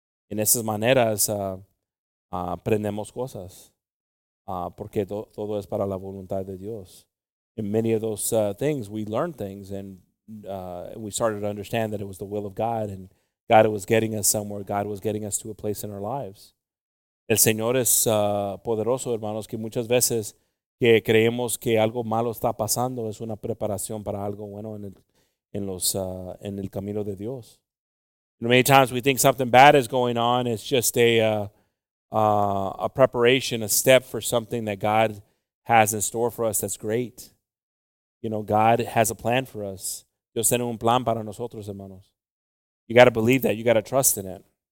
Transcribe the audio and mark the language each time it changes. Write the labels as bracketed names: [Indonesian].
[Spanish] En esas maneras, aprendemos cosas. Porque todo es para la voluntad de Dios. [English] In many of those things, we learned things, and we started to understand that it was the will of God, and God was getting us somewhere. God was getting us to a place in our lives. [Spanish] El Señor es poderoso, hermanos, que muchas veces que creemos que algo malo está pasando es una preparación para algo bueno en el camino de Dios. [English] And many times we think something bad is going on. It's just a preparation, a step for something that God has in store for us that's great. You know, God has a plan for us. [Spanish] Dios tiene un plan para nosotros, hermanos. [English] You got to believe that. You got to trust in it.